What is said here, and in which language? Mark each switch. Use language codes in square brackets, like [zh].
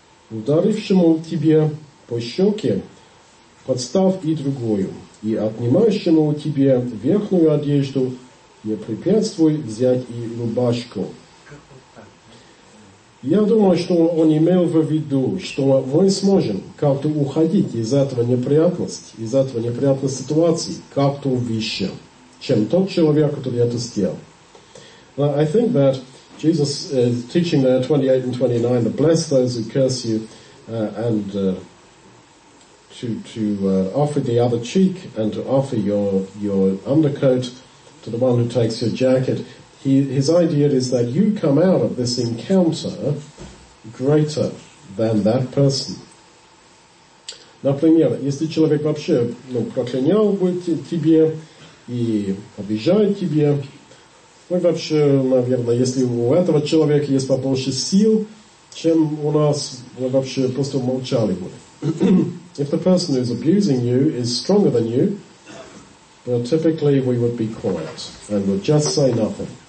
[ru] Ударившему тебе по щеке подставь и другую, и отнимающему у тебя верхнюю одежду не препятствуй взять и рубашку. Я думаю, что он имел в виду, что мы сможем как-то уходить из этого неприятной ситуации, как-то вещи. Чем тот человек, который это сделал. [en] Now, I think that Jesus is teaching there 28 and 29 to bless those who curse you and to offer the other cheek and to offer your undercoat to the one who takes your jacket. His idea is that you come out of this encounter greater than that person. [ru] Например, если человек вообще, ну, проклинял бы тебе, и обижает тебя. Мы вообще, наверное, если у этого человека есть побольше сил, чем у нас, мы вообще просто молчали бы. [en] If the person who is abusing you is stronger than you, well, typically we would be quiet and would just say nothing.